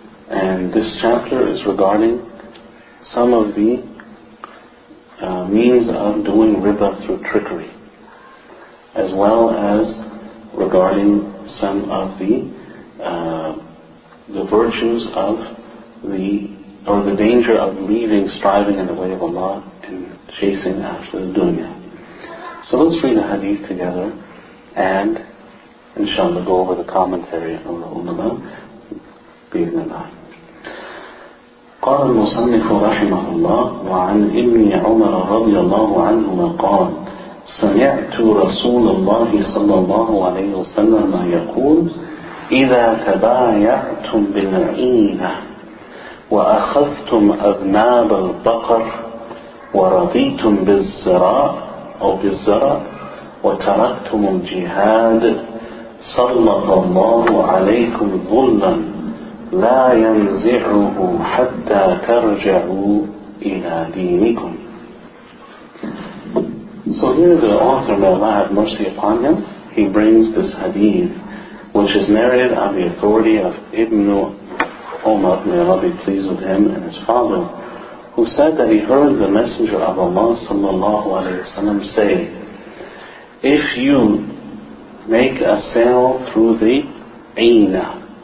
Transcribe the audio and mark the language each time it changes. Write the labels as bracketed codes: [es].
[en] And this chapter is regarding some of the means of doing riba through trickery, as well as regarding some of the virtues of the danger of leaving striving in the way of Allah and chasing after the dunya. So let's read the hadith together and inshallah go over the commentary on the ulama bin Allah. [ar] قال المصنف رحمه الله وعن ابن عمر رضي الله عنهما قال سمعت رسول الله صلى الله عليه وسلم يقول إذا تبايعتم بالعينة وأخذتم أذناب البقر ورضيتم بالزراء أو بالزرع وتركتم الجهاد سلط الله عليكم ظلا لا ينزعه حتى ترجعوا إلى دينكم. [en] So here the author, may Allah have mercy upon him, he brings this hadith which is narrated on the authority of Ibn Umar, may Allah be pleased with him and his father, who said that he heard the Messenger of Allah sallallahu alayhi wa sallam say, if you make a sale through the Aina,